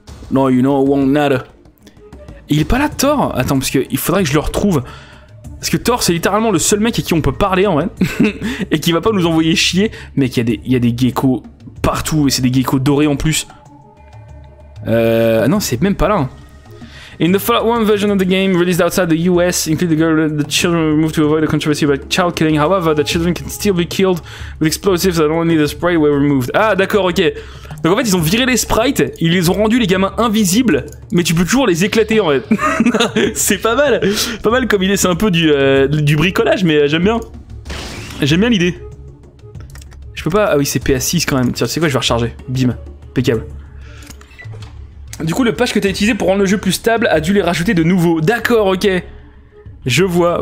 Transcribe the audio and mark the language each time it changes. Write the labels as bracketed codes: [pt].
[en] No, you know, won't matter. [fr] Il est pas là, Thor? Attends, parce qu'il faudrait que je le retrouve. Parce que Thor, c'est littéralement le seul mec à qui on peut parler, en vrai. Et qui va pas nous envoyer chier. Mec, il y a des geckos partout. Et c'est des geckos dorés, en plus. Non, c'est même pas là. [en] Hein. In the Fallout 1 version of the game, released outside the US, including the girl, the children were removed to avoid the controversy about child killing. However, the children can still be killed with explosives that only the sprite were removed. [fr] Ah, d'accord, ok. Donc en fait, ils ont viré les sprites, ils les ont rendus les gamins invisibles, mais tu peux toujours les éclater, en fait. C'est pas mal. Pas mal comme idée, c'est un peu du bricolage, mais j'aime bien. J'aime bien l'idée. Je peux pas... Ah oui, c'est PA6 quand même. Tiens, tu sais quoi, je vais recharger. Bim. Impeccable. Du coup, le patch que t'as utilisé pour rendre le jeu plus stable a dû les rajouter de nouveau. D'accord, ok. Je vois.